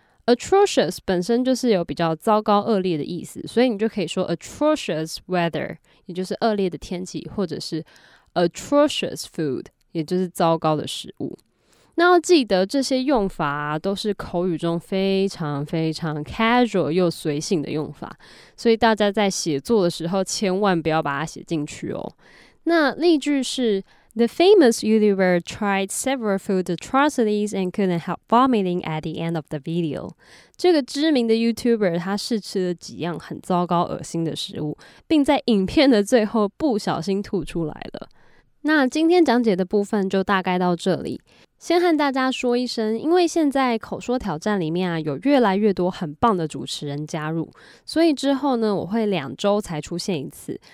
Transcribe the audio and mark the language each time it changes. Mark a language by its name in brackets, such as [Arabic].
[Chinese] atrocious 本身就是有比较糟糕恶劣的意思，所以你就可以说 atrocious weather， 也就是恶劣的天气，或者是 atrocious food， 也就是糟糕的食物。那要记得这些用法都是口语中非常非常 casual 又随性的用法，所以大家在写作的时候千万不要把它写进去哦。那例句是 [English] The famous YouTuber tried several food atrocities and couldn't help vomiting at the end of the video. [Chinese] 这个知名的 YouTuber 他试吃了几样很糟糕恶心的食物，并在影片的最后不小心吐出来了。那今天讲解的部分就大概到这里。先和大家说一声，因为现在口说挑战里面啊，有越来越多很棒的主持人加入，所以之后呢，我会两周才出现一次。